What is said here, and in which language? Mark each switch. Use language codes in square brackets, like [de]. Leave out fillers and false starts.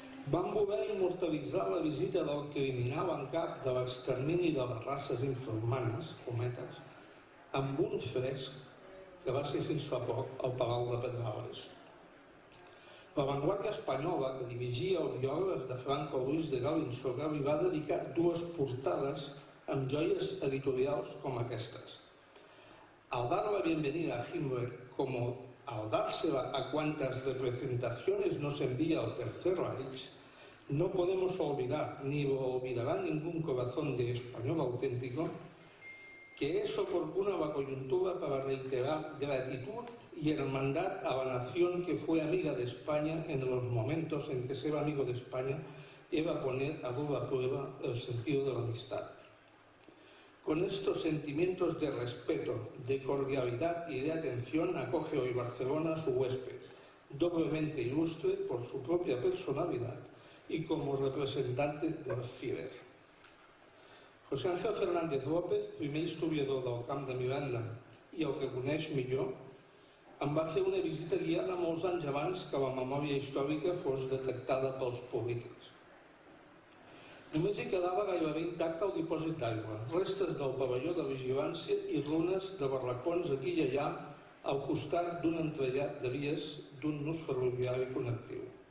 [ca] Van voler immortalitzar la visita del criminal en cap de l'extermini de les races infrahumanes, cometes, amb un fresc que va ser fins fa poc al Palau de Pedralbes. La Vanguardia Espanyola, que dirigia el biògraf de Franco Luis de Galinsoga, li va dedicar 2 portades amb joies editorials com aquestes. [es] Al dar la bienvenida a Himmler, como al dársela a cuantas representaciones nos envía el Tercer Reich, no podemos olvidar, ni lo olvidará ningún corazón de español auténtico, que es oportuna la coyuntura para reiterar gratitud y hermandad a la nación que fue amiga de España en los momentos en que ser amigo de España iba a poner a duda prueba el sentido de la amistad. Con estos sentimientos de respeto, de cordialidad y de atención, acoge hoy Barcelona a su huésped, doblemente ilustre por su propia personalidad y como representante del FIBER. [ca] José Ángel Fernández López, primer historiador del Camp de Miranda y el que coneix millor, em va fer una visita guiada molts anys abans que la memòria històrica fos detectada pels polítics. Només hi quedava gairebé intacte el dipòsit d'aigua, restes del pavelló de vigilància i runes de barracons aquí i allà, al costat d'un entrellat de vies d'un nus ferroviari connectiu.